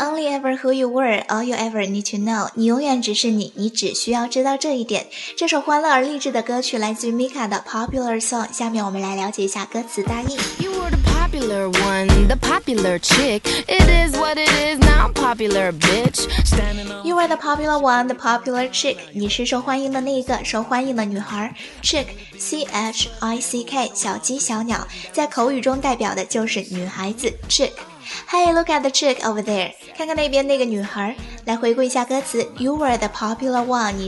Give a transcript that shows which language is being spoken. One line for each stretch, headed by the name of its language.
English: ever who you were, all you ever need to know,
Chinese: 你永远只是你，你只需要知道这一点。这首欢乐而励志的歌曲来自于 Mika 的 Popular Song， 下面我们来了解一下歌词大意。
English: You were the popular one, the popular chick, it is what it is, now I'm popular, bitch. You were the popular one, the popular chick,
Chinese: 你是受欢迎的那一个受欢迎的女孩。 Chick, C-H-I-C-K, 小鸡小鸟，在口语中代表的就是女孩子 ,chick。
English: Hey, look at the chick over there.
Chinese: 看看那边那个女孩。来回顾一下歌词。
English: You were the popular one.